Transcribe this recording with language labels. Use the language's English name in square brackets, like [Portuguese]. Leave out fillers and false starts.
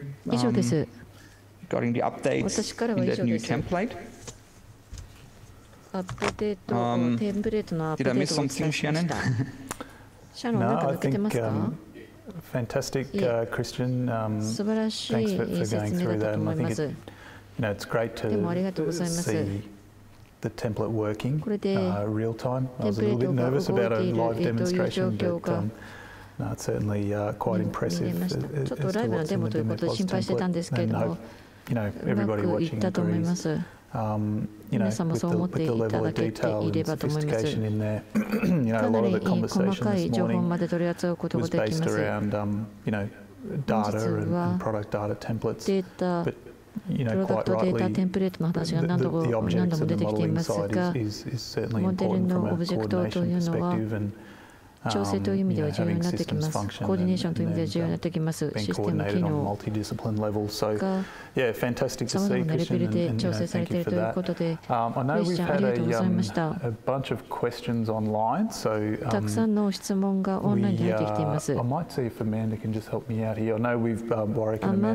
[Japanese] 以上です。私からは以上です。アップデート、テンプレートのアップデートをお伝えしました。シャノン、なんか抜けてますか？ [English] Fantastic, Christian. Thanks for going through that. I think it's great to see the template working real time. I was a little bit nervous about a live demonstration, but it's certainly quite impressive as to what's in the BIM-MEP AUS template. And you know, everybody watching agrees. You know, with the level of detail and sophistication in there, you know, a lot of the conversation this morning was based around, you know, data and product data templates. But, you know, quite rightly, the objects and the modeling side is certainly important from a coordination perspective. And, [Japanese] 調整という意味では重要になってきます。コーディネーションという意味では重要になってきます。システム機能が様々なレベルで調整されているということで、クリスチャンありがとうございました。たくさんの質問がオンラインで入ってきています。アマンダに手伝ってもらいたいと思います。